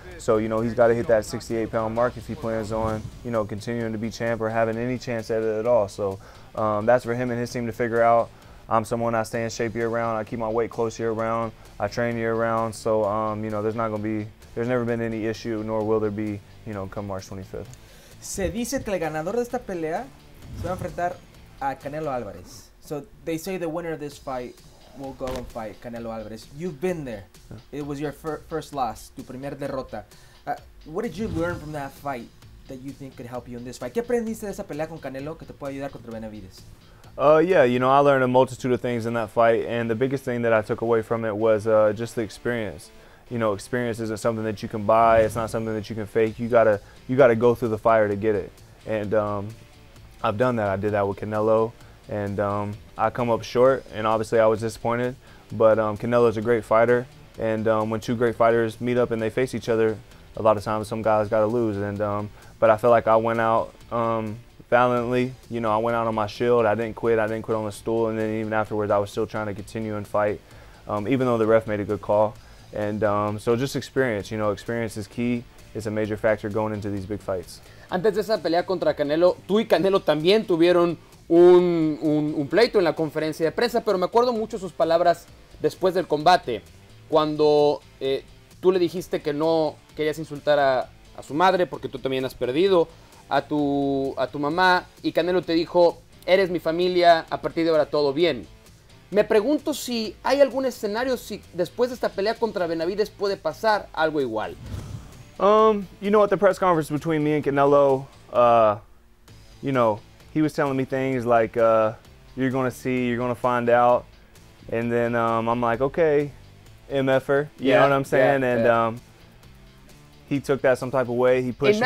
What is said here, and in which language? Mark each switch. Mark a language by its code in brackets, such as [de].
[en] So, you know, he's got to hit that 68-pound mark if he plans on, you know, continuing to be champ or having any chance at it at all. So that's for him and his team to figure out. I'm someone, I stay in shape year-round. I keep my weight close year-round. I train year-round. So, you know, there's never been any issue, nor will there be, you know, come March 25th. [es] Se dice que el ganador de esta pelea se va a enfrentar a Canelo Álvarez. [en] So they say the winner of this fight will go and fight Canelo Álvarez. You've been there. It was your first loss, [es] tu primer derrota. [en] What did you learn from that fight that you think could help you in this fight? [es] ¿Qué aprendiste de esa pelea con Canelo que te puede ayudar contra Benavidez? [en] Yeah, you know, I learned a multitude of things in that fight, and the biggest thing that I took away from it was just the experience. You know, experience isn't something that you can buy. It's not something that you can fake. You gotta go through the fire to get it. And I've done that. I did that with Canelo. And I come up short, and obviously I was disappointed, but Canelo's a great fighter, and when two great fighters meet up and they face each other, a lot of times some guys got to lose. And but I feel like I went out valiantly. You know, I went out on my shield. I didn't quit on the stool, and then even afterwards I was still trying to continue and fight, even though the ref made a good call. And so just experience, you know, experience is key. It's a major factor going into these big fights. [es] Antes de esa pelea contra Canelo, tú y Canelo también tuvieron un pleito en la conferencia de prensa, pero me acuerdo mucho sus palabras después del combate, cuando tú le dijiste que no querías insultar a su madre porque tú también has perdido a tu mamá, y Canelo te dijo, eres mi familia, a partir de ahora todo bien. Me pregunto si hay algún escenario, si después de esta pelea contra Benavidez puede pasar algo igual. [en] You know, at the press conference between me and Canelo, you know, he was telling me things like, you're gonna see, you're gonna find out. And then I'm like, okay, MF-er, you know what I'm saying? He took that some type of way, he pushed me.